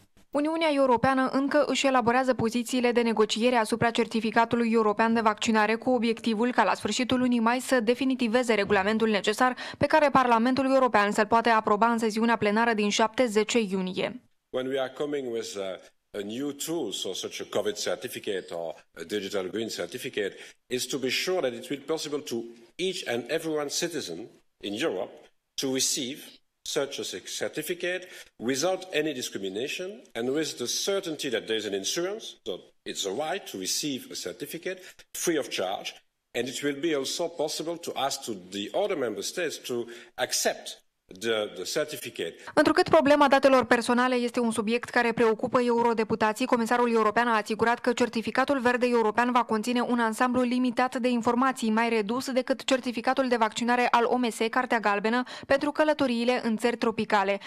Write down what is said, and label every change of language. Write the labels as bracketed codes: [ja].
[ro] Uniunea Europeană încă își elaborează pozițiile de negociere asupra certificatului european de vaccinare cu obiectivul ca la sfârșitul lunii mai să definitiveze regulamentul necesar pe care Parlamentul European să-l poate aproba în sesiunea plenară din 7-10 iunie. [en] When we are coming with a new tool, so such a COVID certificate or a digital green certificate, is to be sure that it will be possible to each and everyone citizen in Europe to receive such a certificate without any discrimination and with the certainty that there is an insurance, so it's a right to receive a certificate free of charge, and it will be also possible to ask to the other member states to accept the certificate. [ro] Întrucât problema datelor personale este un subiect care preocupă eurodeputații, Comisarul European a asigurat că certificatul verde european va conține un ansamblu limitat de informații, mai redus decât certificatul de vaccinare al OMS, Cartea Galbenă, pentru călătoriile în țări tropicale.